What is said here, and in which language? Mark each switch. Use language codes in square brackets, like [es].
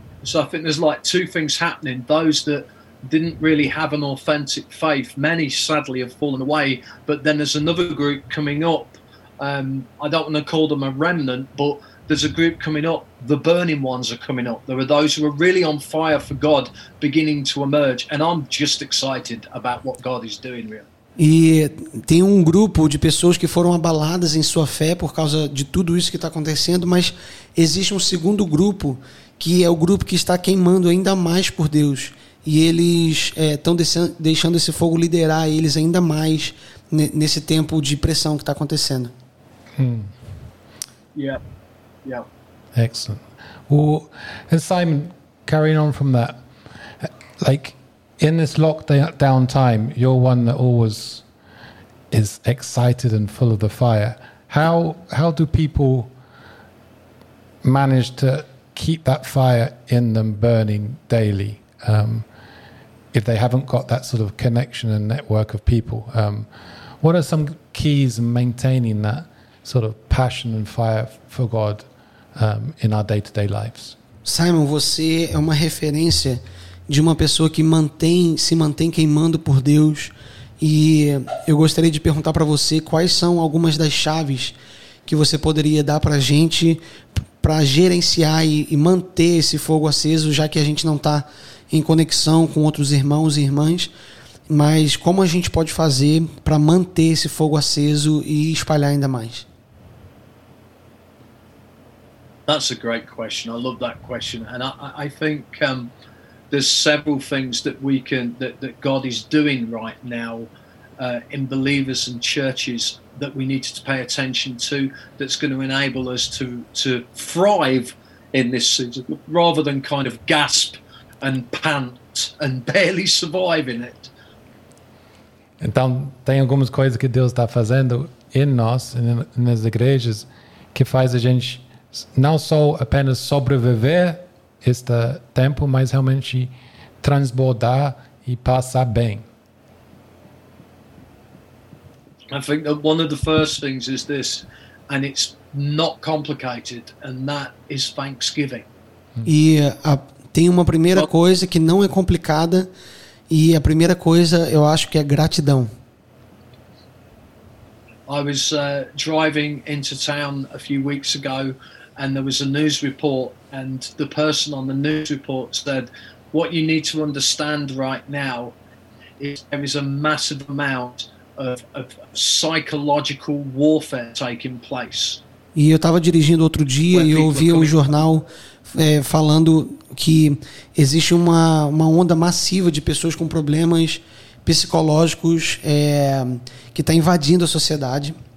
[en] So I think there's like two things happening. Those that didn't really have an authentic faith, many sadly have fallen away, but then there's another group coming up. I don't want to call them a remnant, but there's a group coming up. The burning ones are coming up. There are those who are really on fire for God beginning to emerge, and I'm just excited about what God is doing, really. [pt] E tem um grupo de pessoas que foram abaladas em sua fé por causa de tudo isso que está acontecendo, mas existe um segundo grupo que é o grupo que está queimando ainda mais por Deus. E eles estão deixando esse fogo liderar eles ainda mais nesse tempo de pressão que está acontecendo. [en] Yeah. Excellent. Well, and Simon, carrying on from that, like in this lockdown time, you're one that always is excited and full of the fire. How do people manage to keep that fire in them burning daily? If they haven't got that sort of connection and network of people, what are some keys in maintaining that sort of passion and fire for God in our day-to-day lives? [pt] Simon, você é uma referência de uma pessoa que se mantém queimando por Deus, e eu gostaria de perguntar para você quais são algumas das chaves que você poderia dar para a gente para gerenciar e manter esse fogo aceso, já que a gente não está em conexão com outros irmãos e irmãs, mas como a gente pode fazer para manter esse fogo aceso e espalhar ainda mais? [en] That's a great question. I love that question. And I think there's several things that we can that God is doing right now in believers and churches that we need to pay attention to, that's going to enable us to thrive in this season, rather than kind of gasp and pant and barely survive in it. [pt] Então, tem algumas coisas que Deus está fazendo em nós, nas igrejas, que faz a gente não só apenas sobreviver este tempo, mas realmente transbordar e passar bem. [en] I think that one of the first things is this, and it's not complicated, and that is thanksgiving. [pt] E tem uma primeira coisa que não é complicada, e a primeira coisa eu acho que é gratidão. [en] I was driving into town a few weeks ago, and there was a news report, and the person on the news report said, "What you need to understand right now is there is a massive amount of psychological warfare taking place." [pt] E eu estava dirigindo outro dia e eu ouvi o jornal falando que existe uma onda massiva de pessoas com problemas psicológicos que está invadindo a sociedade.